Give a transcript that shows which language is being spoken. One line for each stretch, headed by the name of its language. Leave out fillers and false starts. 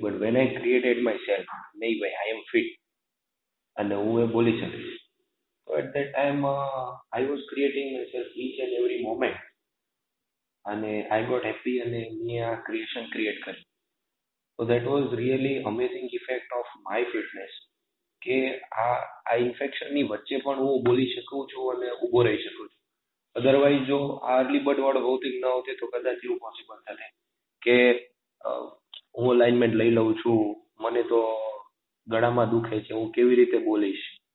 English: But when I created myself,
Gujarati: નહીં ભાઈ
English: I am fit
Gujarati: અને હું એ બોલી શકીશ.
English: So at that time I was creating myself each and every moment.
Gujarati: અને
English: I got happy
Gujarati: અને મેં આ ક્રિએશન ક્રિએટ કરી.
English: so that was really amazing effect of my fitness
Gujarati: કે આ ઇન્ફેક્શનની વચ્ચે પણ હું બોલી શકું છું અને ઊભો રહી શકું છું. અધરવાઇઝ જો આ અર્લી બર્ડ વાળો ભૌતિક ન હોતી તો કદાચ એવું પોસિબલ થતું કે હું અલાઇનમેન્ટ લઈ લઉં છું, મને તો ગળામાં દુખે છે, હું કેવી રીતે બોલીશ.